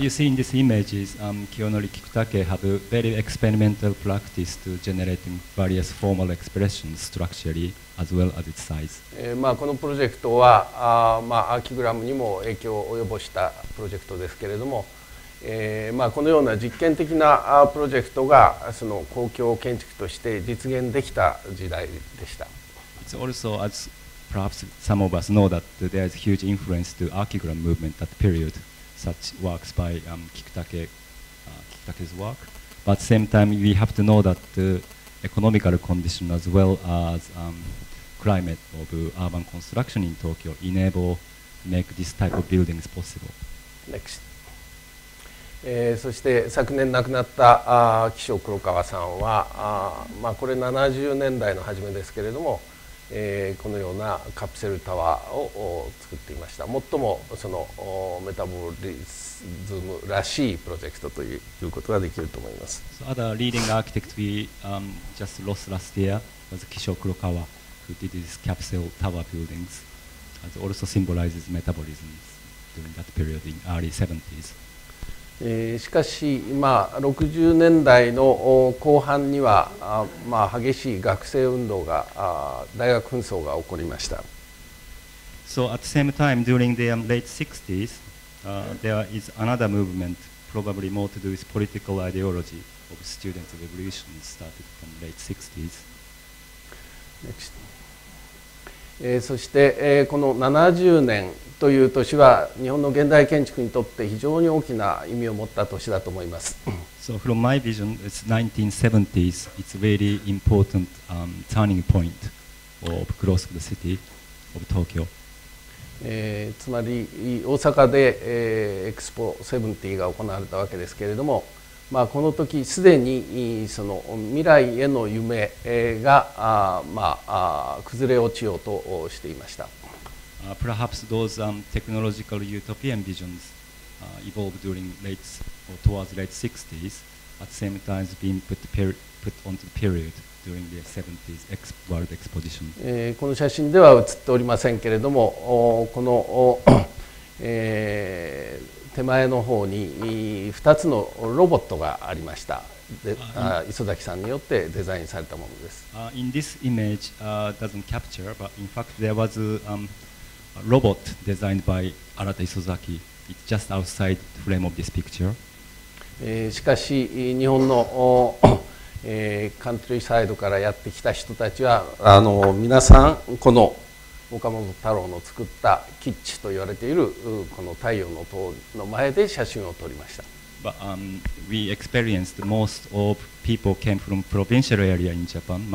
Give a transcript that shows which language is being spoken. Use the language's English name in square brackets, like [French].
[English] You see in these images, 清則菊竹 have a very experimental practice to generating various formal expressions structurally as well as its size. [Japanese] このプロジェクトは、アーキグラムにも影響を及ぼしたプロジェクトですけれども、このような実験的なプロジェクトがその公共建築として実現できた時代でした。 [English] It's also, as perhaps some of us know, that there is huge influence to archigram movement that period, such works by Kikutake's work. But at the same time, we have to know that the economical condition as well as climate of urban construction in Tokyo enable make this type of buildings possible. Next. [Japanese] そして昨年亡くなった岸尾黒川さんは、これ70年代の初めですけれども、このようなカプセルタワーを作っていました。最もそのメタボリズムらしいプロジェクトということができると思います。 [English] So other leading architect we just lost last year was Kisho Kurokawa who did this capsule tower buildings and also symbolizes metabolism during that period in early 70s。 [Japanese] しかし、まあ、60年代の後半には、まあ、激しい学生運動が、大学紛争が起こりました。 [English] So at the same time, during the late 60s, there is another movement, probably more to do with political ideology of student revolution started from late 60s. Next. [Japanese] そして、この70年という年は日本の現代建築にとって非常に大きな意味を持った年だと思います。 [English] So from my vision, it's 1970s. It's a very important turning point of growth of the city of Tokyo. [Japanese] つまり大阪で、Expo 70が行われたわけですけれども、まあ、この時すでにその未来への夢が、まあ、崩れ落ちようとしていました。 [English] Perhaps those technological utopian visions evolved during late or towards late 60s at the same time as being put onto the period during the 70s World Exposition. [Japanese] この写真では写っておりませんけれども、この手前の方に2つのロボットがありました。磯崎さんによってデザインされたものです。 [English] In this image, doesn't capture, but in fact there was a robot designed by Arata Isozaki. It's just outside the frame of this picture. [Japanese] しかし日本のカントリーサイドからやってきた人たちは、皆さんこの岡本太郎の作ったキッチと言われているこの太陽の塔の前で写真を撮りました。 [English] But, we experienced most of people came from provincial area in Japan.